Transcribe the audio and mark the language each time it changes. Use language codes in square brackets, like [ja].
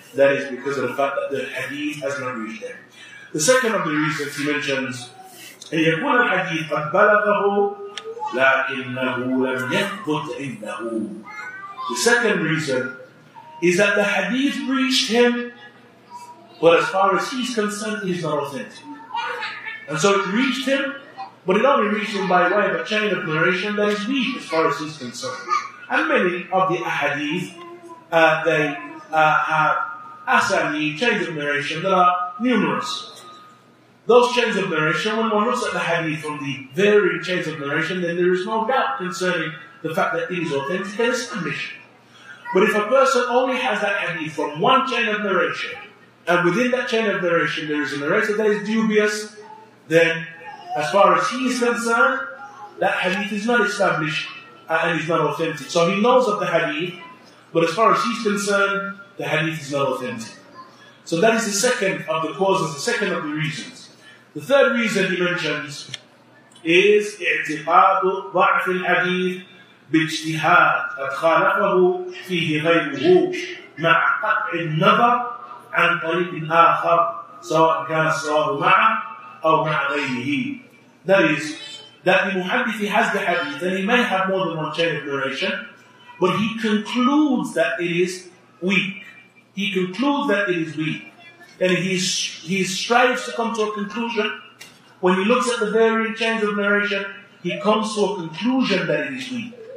[en] That is because of the fact that the hadith has not reached them. The second of the reasons he mentions, [ar] يَكُونَ الْحَدِيثَ قَدْ بَلَغَهُ لَكِنَّهُ لَمْ يَثْبُتْ عِنَّهُ. [en] The second reason is that the hadith reached him, but as far as he's concerned, he's not authentic. And so it reached him, but it only reached him by way of a chain of narration that is weak as far as he's concerned. And many of the ahadith, they have asani, chains of narration that are numerous. Those chains of narration, when one looks at the hadith from the varying chains of narration, then there is no doubt concerning the fact that it is authentic, there is submission. But if a person only has that hadith from one chain of narration, and within that chain of narration there is a narrator that is dubious, then as far as he is concerned, that hadith is not established and is not authentic. So he knows of the hadith, but as far as he's concerned, the hadith is not authentic. So that is the second of the causes, the second of the reasons. The third reason he mentions is [ar] اعتقاد ضعف الحديث باجتهاد أدخاله فيه غيره مع قطع النظر عن طريق آخر سواء كان الصواب معه أو مع غيره. [en] That is, that the muhaddith has the hadith, and he may have more than one chain of narration, but he concludes that it is weak. He concludes that it is weak. And he strives to come to a conclusion. When he looks at the varying chains of narration, he comes to a conclusion that it is weak.